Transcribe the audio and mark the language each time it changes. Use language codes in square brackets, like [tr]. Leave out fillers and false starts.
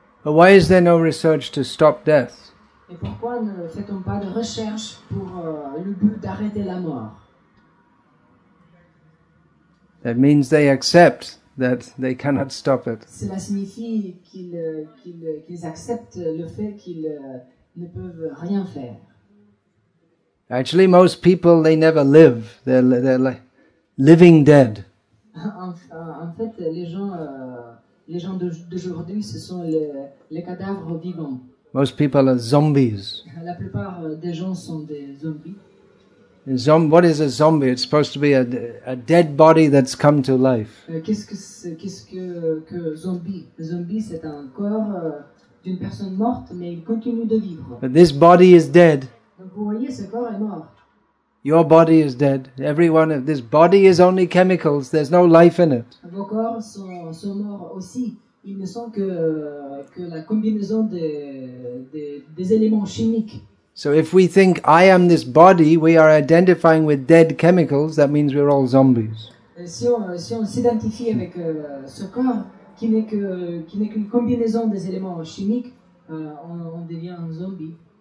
[en] But why is there no research to stop death? [fr] Et pourquoi ne fait-on pas de recherche pour le but d'arrêter la mort? [en] That means they accept that they cannot stop it. [fr] Cela signifie qu'ils acceptent le fait qu'ils ne peuvent rien faire. [en] Actually, most people they never live. They're like living dead. [fr] En fait, les gens d'aujourd'hui, ce sont les cadavres vivants. [en] Most people are zombies. [fr] La plupart des gens sont des zombies. [en] What is a zombie? It's supposed to be a dead body that's come to life. [fr] Qu'est-ce que zombie? Zombie, c'est un corps d'une personne morte, mais il continue de vivre. [en] But this body is dead. [fr] Donc vous voyez, ce corps est mort. [en] Your body is dead. Everyone, this body is only chemicals. There's no life in it. [fr] Vos corps sont morts aussi. Ils ne sont que la combinaison des éléments chimiques. [en] So if we think I am this body, we are identifying with dead chemicals, that means we're all zombies. [fr] Si on s'identifie avec ce corps qui n'est qu'une combinaison des éléments chimiques, on devient un zombie.